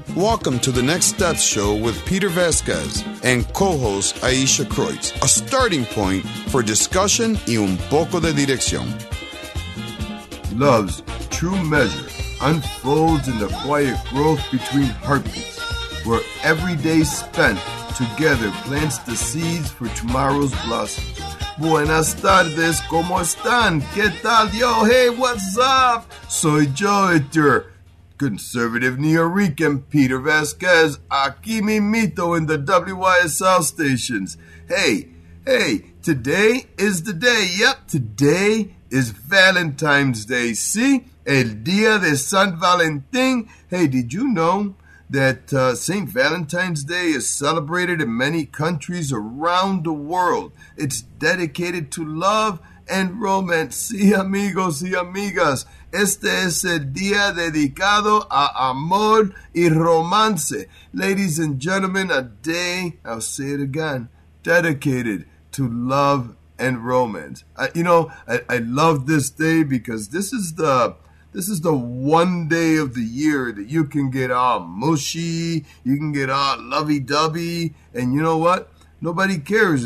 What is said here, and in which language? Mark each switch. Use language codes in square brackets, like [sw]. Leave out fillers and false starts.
[en] Welcome to the Next Steps Show with Peter Vasquez and co-host Aisha Kreutz, a starting point for discussion [es] y un poco de dirección. [en] Love's true measure unfolds in the quiet growth between heartbeats, where every day spent together plants the seeds for tomorrow's blossoms. [es] Buenas tardes, ¿cómo están? ¿Qué tal, yo? [en] Hey, what's up? [es] Soy yo, [en] your conservative New Yorker, Peter Vasquez. [es] Aquí mi mito [en] in the WYSL stations. Hey, today is the day. Yep, today is Valentine's Day. See? [es] El Día de San Valentín. [en] Hey, did you know that St. Valentine's Day is celebrated in many countries around the world? It's dedicated to love and romance. [es] Sí, amigos y amigas. Este es el día dedicado a amor y romance. [en] Ladies and gentlemen, a day, I'll say it again, dedicated to love and romance. I love this day because this is the one day of the year that you can get all mushy, you can get all lovey-dovey, and you know what? Nobody cares.